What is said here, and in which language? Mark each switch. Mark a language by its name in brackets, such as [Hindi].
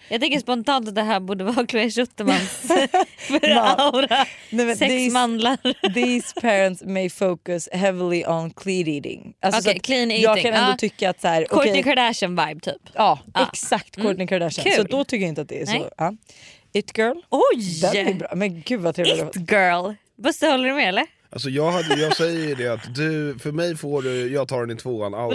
[Swedish] Jag tänker spontant att det här borde vara Chloe Schuttemans. För no. Aura. Nej, men sex mandlar. [English] These parents may focus heavily on clean eating. [Swedish] Alltså okej, okay, clean eating. Jag kan ändå tycka att så här. Kourtney okay. Kardashian vibe typ. Ja, exakt Kourtney Kardashian. Cool. Så då tycker jag inte att det är så. Ja. It girl. Oj! Den är bra. Men gud vad trevlig. It girl. Basta, håller du med eller? Alltså jag säger ju det att du, för mig får du, jag tar den i tvåan.